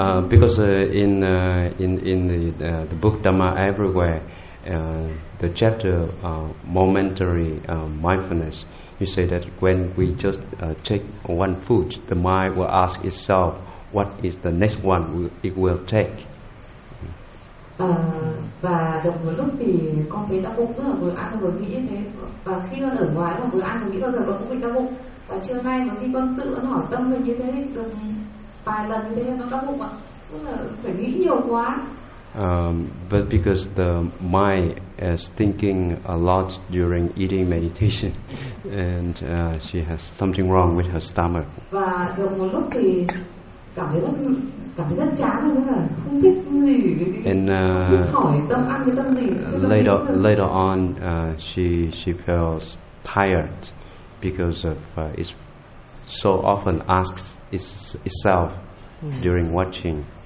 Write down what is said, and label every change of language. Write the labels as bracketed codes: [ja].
[en] Because in the book Dhamma Everywhere, the chapter momentary mindfulness, you say that when we just take one food, the mind will ask itself, what is the next one it will take. [vi] Và được một lúc thì con thấy đau bụng rất là vừa ăn vừa nghĩ thế và khi con ở ngoài mà vừa ăn vừa nghĩ bao giờ con cũng bị đau bụng và trưa nay mà khi con tự hỏi tâm mình như thế từng vài lần như thế nó đau bụng ạ, tức là phải nghĩ nhiều quá. [en] But because the mind is thinking a lot during eating meditation, and she has something wrong with her stomach. [vi] Và được một lúc thì cảm thấy rất chán luôn, là không thích gì, không biết hỏi tâm ăn cái tâm gì. [en] Later on, she feels tired because of it's so often asks itself during watching.